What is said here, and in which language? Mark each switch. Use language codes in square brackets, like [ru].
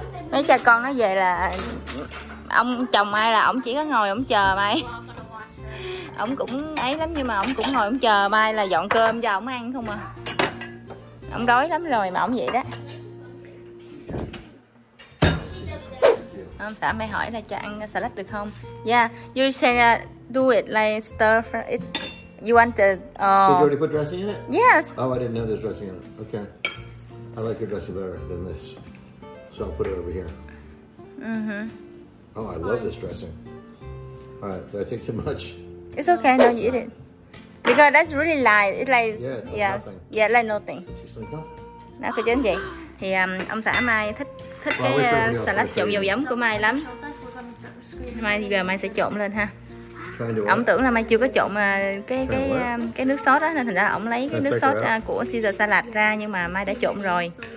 [vi] Mấy cha con nó về là ông chồng Mai là ổng chỉ có ngồi ổng chờ Mai. Ổng cũng ấy lắm nhưng mà ổng cũng ngồi ổng chờ Mai là dọn cơm cho ổng ăn không à. Ông đói lắm rồi mà ông vậy đó. Ông xã Mai hỏi là cho ăn salad được không? [en] Yeah, you say do it like stir fry it. You want the... Did you already put dressing in it? Yes. Oh, I didn't know there's dressing in it. Okay. I like your dressing better than this. So I'll put it over here. Mm-hmm. Oh, I love this dressing. All right, did I take too much? It's okay, no, you eat it. Because that's really light. It's like, yeah, yeah, like nothing. [vi] Nó cứ chín vậy. Thì ông xã Mai thích cái salad trộn dầu giấm của Mai lắm. Mai thì giờ Mai sẽ trộn lên ha. Ông tưởng là Mai chưa có trộn cái nước sốt á, nên thành ra ông lấy cái nước sốt của Caesar salad ra, nhưng mà Mai đã trộn rồi.